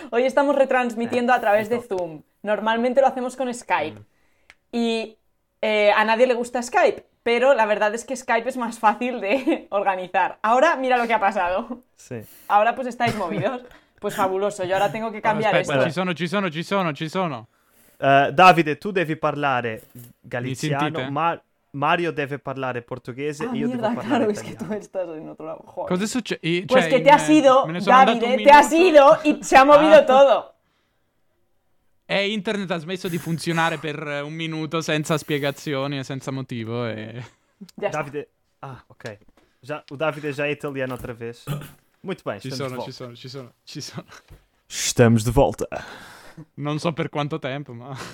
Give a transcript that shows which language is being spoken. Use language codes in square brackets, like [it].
[es] Hoy estamos retransmitiendo a través de Zoom. Normalmente lo hacemos con Skype. Y a nadie le gusta Skype, pero la verdad es que Skype es más fácil de organizar. Ahora mira lo que ha pasado. Sí. Ahora pues estáis movidos. Pues fabuloso, yo ahora tengo que cambiar esto. [it] Ci sono. Davide, [es] tú debes hablar galiziano, [it] Mario deve parlare portoghese e io devo parlare italiano. [es] Es que tú estás en otro lado. Joder. [it] Cosa succede? [es] Pues que te ha sido, Davide, te ha sido y se ha movido todo. [it] Internet ha smesso di funzionare per un minuto senza spiegazioni e senza motivo e... Davide... Ah, ok. Già, o Davide già è italiano [es] otra vez. [it] Molto bene, ci sono. [pt] Estamos de volta. [it] Non so per quanto tempo, ma...